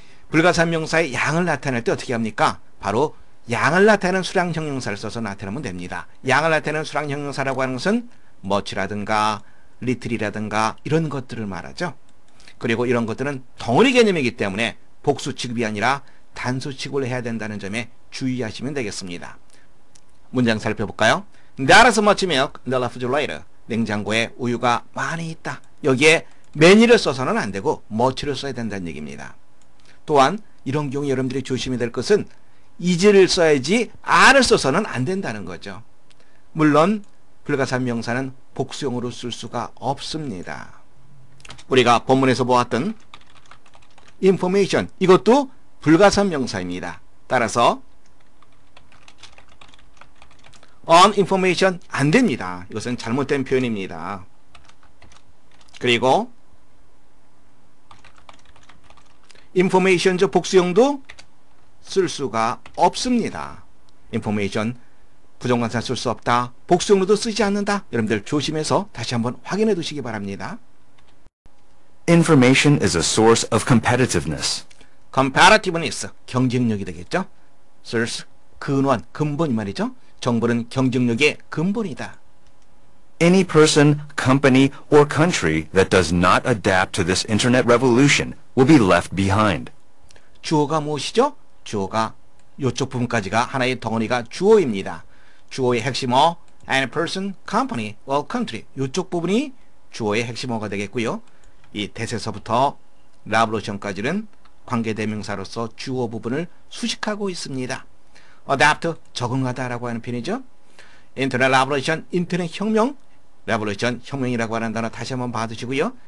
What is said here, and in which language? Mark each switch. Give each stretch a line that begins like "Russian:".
Korean: 불가산명사의 양을 나타낼 때 어떻게 합니까? 바로 양을 나타내는 수량형용사를 써서 나타내면 됩니다. 양을 나타내는 수량형용사라고 하는 것은 much라든가 little이라든가 이런 것들을 말하죠. 그리고 이런 것들은 덩어리 개념이기 때문에 복수 취급이 아니라 단수 취급을 해야 된다는 점에 주의하시면 되겠습니다. 문장 살펴볼까요?
English: That is much milk in the refrigerator.
Korean: 냉장고에 우유가 많이 있다. 여기에 many를 써서는 안 되고 much를 써야 된다는 얘기입니다. 또한 이런 경우 여러분들이 조심해야 될 것은 is를 써야지 are을 써서는 안 된다는 거죠. 물론 불가산명사는 복수형으로 쓸 수가 없습니다. 우리가 본문에서 보았던 information 이것도 불가산명사입니다. 따라서
English: on information
Korean: 안 됩니다. 이것은 잘못된 표현입니다. 그리고 information 저 복수형도 쓸 수가 없습니다. information 부정관사 쓸 수 없다. 복수형으로도 쓰지 않는다. 여러분들 조심해서 다시 한번 확인해 두시기 바랍니다.
English: Information is a source of competitiveness.
Korean: Competitiveness, 경쟁력이 되겠죠. Source, 근원, 근본 말이죠. 정보는 경쟁력의 근본이다.
English: Any person, company, or country that does not adapt to this internet revolution will be left behind.
Korean: 주어가 무엇이죠? 주어가 요쪽 부분까지가 하나의 덩어리가 주어입니다. 주어의 핵심어,
English: any person, company, or country.
Korean: 요쪽 부분이 주어의 핵심어가 되겠고요. 이 대세서부터 revolution까지는 관계대명사로서 주어 부분을 수식하고 있습니다. adapt, 적응하다 라고 하는 표현이죠. internet revolution, 인터넷 혁명, revolution, 혁명이라고 하는 단어 다시 한번 봐주시고요.